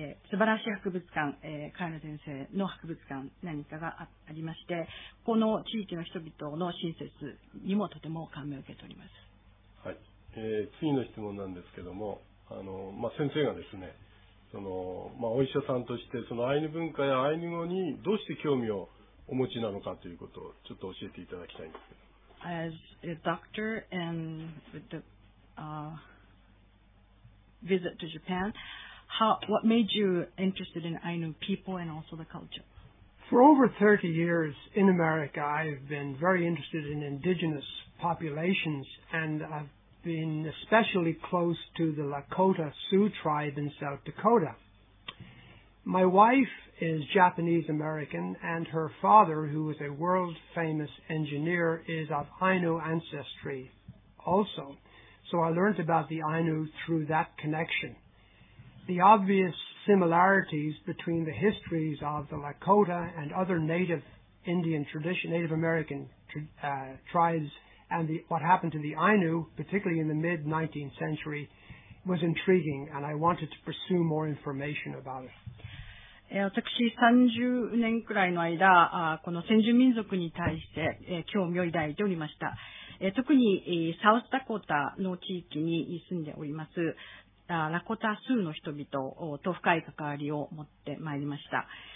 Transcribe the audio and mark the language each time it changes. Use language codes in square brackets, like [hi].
[ja] 素晴らしい博物館、カエル先生の博物館何かが ありまして、この地域の人々の親切にもとても感銘を受けております。はい。次の質問なんですけども、まあ、先生がですね、その、まあ、お医者さんとしてそのアイヌ文化やアイヌ語にどうして興味をお持ちなのかということをちょっと教えていただきたいんですけど。 [en] As a doctor and the visit to Japan, what made you interested in Ainu people and also the culture? For over 30 years in America, I've been very interested in indigenous populations, and I've been especially close to the Lakota Sioux tribe in South Dakota. My wife is Japanese American, and her father, who is a world famous engineer, is of Ainu ancestry also. So I learned about the Ainu through that connection. The obvious similarities between the histories of the Lakota and other Native Indian tradition, Native American tribes, and what happened to the Ainu, particularly in the mid-19th century, was intriguing, and I wanted to pursue more information about it. [ja] 私30年くらいの間、この先住民族に対して興味を抱いておりました。特にサウスダコタの地域に住んでおりますラコタスーの人々と深い関わりを持ってまいりました。